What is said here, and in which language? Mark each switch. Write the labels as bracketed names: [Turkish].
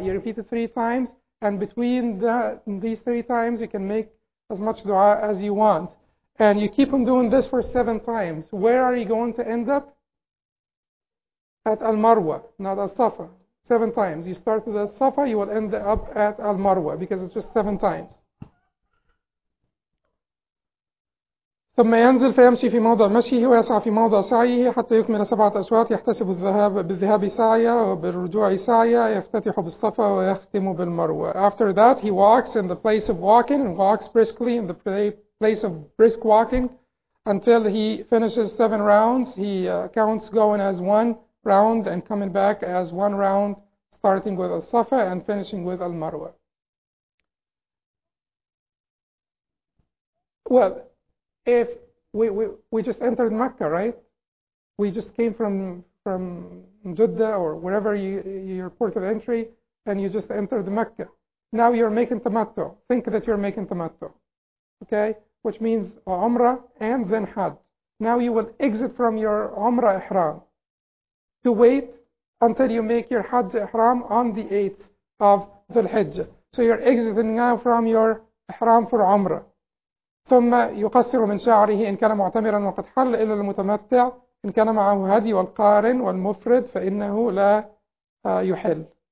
[English] You repeat it three times, and between these three times, you can make as much dua as you want. And you keep on doing this for seven times. Where are you going to end up? At al-Marwa, not al-Safa. Seven times. You start with al-Safa, you will end up at al-Marwa, because it's just seven times. [Arabic] ثم ينزل فيمشي في موضع مشيه ويسعى في موضع سعيه حتى يكمل سبعة أشواط يحتسب الذهاب بالذهاب سعيا وبالرجوع سعيا يفتتح بالصفا ويختم بالمروة. [English] After that, he walks in the place of walking and walks briskly in the place of brisk walking until he finishes seven rounds. He counts going as one round and coming back as one round, starting with al-Safa and finishing with al-Marwa. Well, if we just entered Mecca, right? We just came from Jeddah or wherever your port of entry, and you just entered Mecca. Now you're making tamattu. Think that you're making tamattu, okay? Which means Umrah and then Hajj. Now you will exit from your Umrah Ihram to wait until you make your Hajj Ihram on the 8th of Dhul-Hijjah. So you're exiting now from your Ihram for Umrah. [Arabic] ثم يقصر من شعره إن كان معتمرا وقد حل إلا المتمتع إن كان معه هدي والقارن والمفرد فإنه لا يحل.